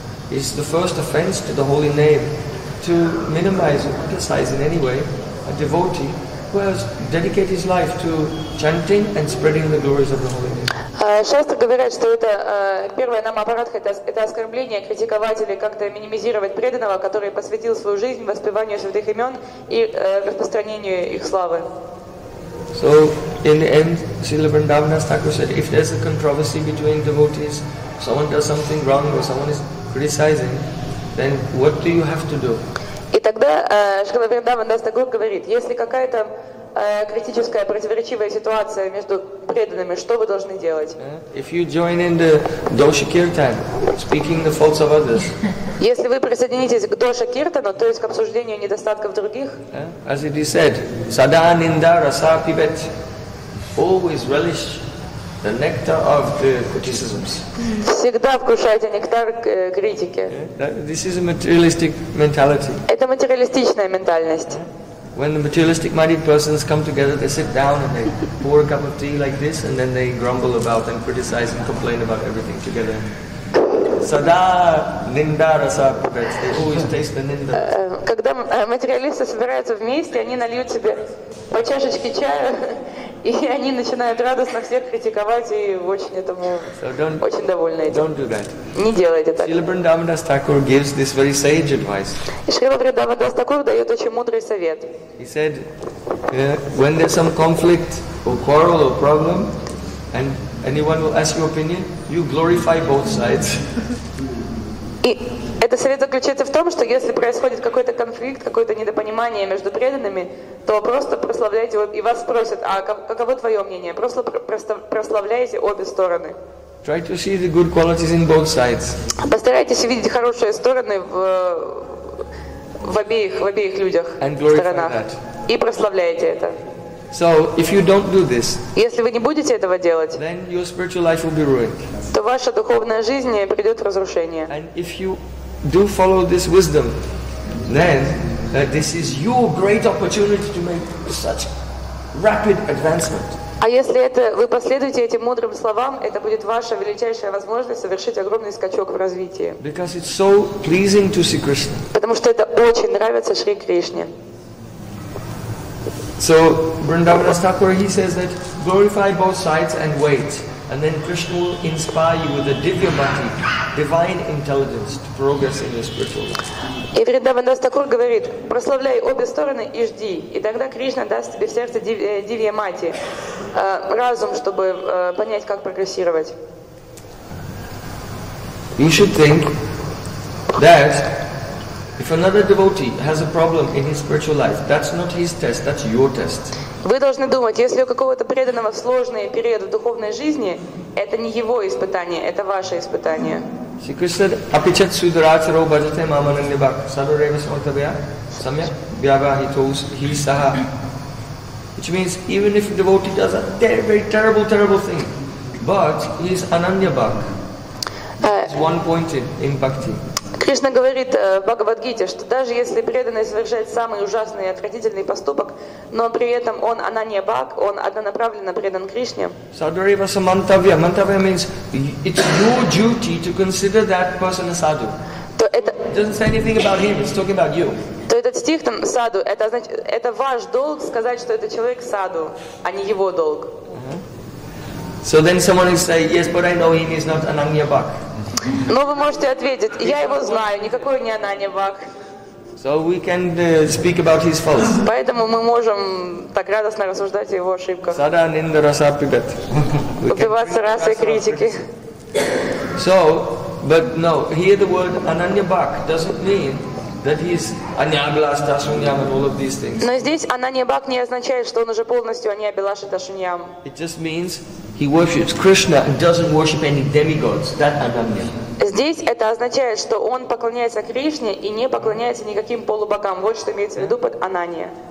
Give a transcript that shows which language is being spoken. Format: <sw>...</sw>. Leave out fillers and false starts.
<en>It's the first offense to the holy name to minimize or criticize in any way a devotee who has dedicated his life to chanting and spreading the glories of the holy name.</en> <ru>Шастры говорят, что это первое нам апарадха, это оскорбление, критиковать или как-то минимизировать преданного, который посвятил свою жизнь воспеванию святых имен и распространению их славы.</ru> <en>So, in the end, Srila Vrindavana Thakur said, if there's a controversy between devotees, someone does something wrong or someone is criticizing, then what do you have to do?</en> <ru>И тогда Шрила Вриндавана Дас Тхакур говорит, если какая-то критическая, противоречивая ситуация между преданными, что вы должны делать?</ru> <en>If you join in the dosha kirtan, speaking the faults of others.</en> <ru>Если вы присоединитесь к доша киртану, то есть к обсуждению недостатков других.</ru> <en>As it is said,</en> <sa>sada ninda rasa pibet,</sa> <en>always relish the nectar of the criticisms.</en> <ru>Всегда вкушайте нектар критики.</ru> <en>This is a materialistic mentality.</en> <ru>Это материалистичная ментальность.</ru> <en>When the materialistic minded persons come together, they sit down and they pour a cup of tea like this, and then they grumble about and criticize and complain about everything together.</en> <sa>Sada ninda rasa pibet.</sa> <en>They always taste the ninda.</en> <ru>Когда материалисты собираются вместе, они нальют себе по чашечке чая. И они начинают радостно всех критиковать и очень этому очень довольны этим.</ru> <en>Don't do that.</en> <ru>Не делайте так.</ru> <en>Srila Vrindavana Thakur gives this very sage advice.</en> <ru>И Srila Vrindavana Thakur дает очень мудрый совет.</ru> <en>He said, when there's some conflict or quarrel or problem, and anyone will ask your opinion, you glorify both sides.</en> <ru>И этот совет заключается в том, что если происходит какой-то конфликт, какое-то недопонимание между преданными, то просто прославляйте, и вас спросят, а каково твое мнение? Просто прославляйте обе стороны.</ru> <en>Try to see the good qualities in both sides.</en> <ru>Постарайтесь видеть хорошие стороны в обеих людях,</ru> <en>and glorify</en> <ru>сторонах.</ru> <en>That.</en> <ru>И прославляйте это.</ru> <en>So, if you don't do this,</en> <ru>если вы не будете этого делать,</ru> <en>then your spiritual life will be ruined.</en> <ru>То ваша духовная жизнь придет в разрушение.</ru> <en>And if you do follow this wisdom, then this is your great opportunity to make such rapid advancement.</en> <ru>А если это вы последуете этим мудрым словам, это будет ваша величайшая возможность совершить огромный скачок в развитии.</ru> <en>Because it's so pleasing to Sri Krishna.</en> <ru>Потому что это очень нравится Шри Кришне.</ru> <en>So Vrindavana Thakur, he says that glorify both sides and wait, and then Krishna will inspire you with a divya bhakti, divine intelligence, to progress in your spiritual life.</en> <ru>И Вриндаван Дас Такур говорит, прославляй обе стороны и жди, и тогда Кришна даст тебе в сердце Дивья Мати, разум, чтобы понять, как прогрессировать.</ru> <en>You should think that if another devotee has a problem in his spiritual life, that's not his test, that's your test.</en> <ru>Вы должны думать, если у какого-то преданного сложный период в духовной жизни, это не его испытание, это ваше испытание.</ru> <sa>Shri Krishna apichat sudaracharo bhajate mamanandibak sarvareva samantabhya samyak vyabhahitos hi saha.</sa> <en>Which means even if a devotee does a very terrible, terrible thing, but he is anandibak. It's one point in bhakti.</en> <ru>Кришна говорит в Бхагавадгите, что даже если преданный совершает самый ужасный и отвратительный поступок, но при этом он ананья бхак, он однонаправленно предан Кришне.</ru> <sa>Садхурева самантавья.</sa> <en>Мантавья means it's your duty to consider that person a sadhu. It doesn't say anything about him, it's talking about you.</en> <ru>То этот стих там саду, это значит, это ваш долг сказать, что это человек саду, а не его долг.</ru> <en>So then someone will say, yes, but I know him is not ananya bhak.</en> <ru>Но вы можете ответить, я его знаю, никакой не ананья бхак.</ru> <en>So we can speak about his faults.</en> <ru>Поэтому мы можем так радостно рассуждать о его ошибках.</ru> <sa>Sada ninda rasa pibet.</sa> <ru>Упиваться расой критики.</ru> <en>So, but no, here the word ananya bhak doesn't mean that he is anyabilash dashunyam and all of these things.</en> <ru>Но здесь ананья бхак не означает, что он уже полностью анябилаш дашуньям.</ru> <en>It just means he worships Krishna and doesn't worship any demigods. That ananya.</en> <ru>Здесь это означает, что он поклоняется Кришне и не поклоняется никаким полубогам. Вот что имеется в виду под ананья.</ru>